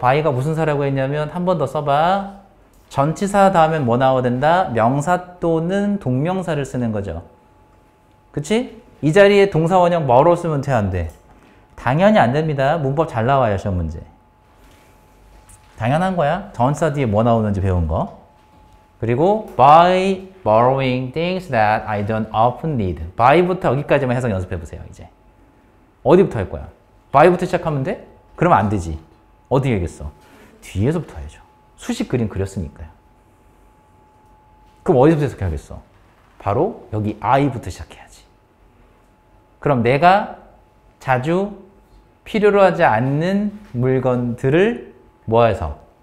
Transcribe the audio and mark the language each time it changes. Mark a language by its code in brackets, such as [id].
[ko] by가 무슨 사라고 했냐면 한 번 더 써봐. 전치사 다음에 뭐 나와야 된다? 명사 또는 동명사를 쓰는 거죠. 그치? 이 자리에 동사원형 뭐로 쓰면 돼? 안 돼? 당연히 안 됩니다. 문법 잘 나와요, 시험 문제. 당연한 거야. 전치사 뒤에 뭐 나오는지 배운 거. 그리고 [en] by borrowing things that I don't often need. [ko] by부터 여기까지만 해석 연습해 보세요, 이제. 어디부터 할 거야? by부터 시작하면 돼? 그러면 안 되지. 어디 얘기했어? 뒤에서부터 해야죠. 수식 그림 그렸으니까요. 그럼 어디서부터 시작해야겠어? 바로 여기 I부터 시작해야지. 그럼 내가 자주 필요로 하지 않는 물건들을 뭐 해서?